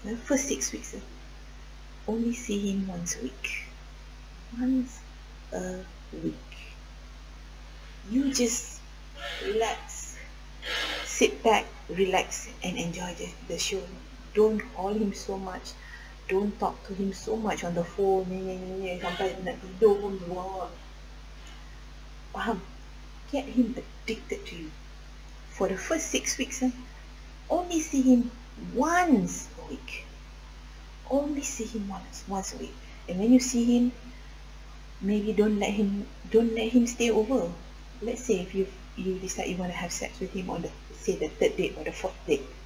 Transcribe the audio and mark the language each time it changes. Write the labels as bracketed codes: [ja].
[en] First 6 weeks, only see him once a week. Once a week. You just relax, sit back, relax, and enjoy the show. Don't call him so much. Don't talk to him so much on the phone. [ms] Sampai nak tidur pun luar. Faham? [en] Get him addicted to you. For the first 6 weeks, only see him once a week. Only see him once a week. And when you see him, maybe don't let him stay over. Let's say if you decide you want to have sex with him on the, say, the third date or the fourth date.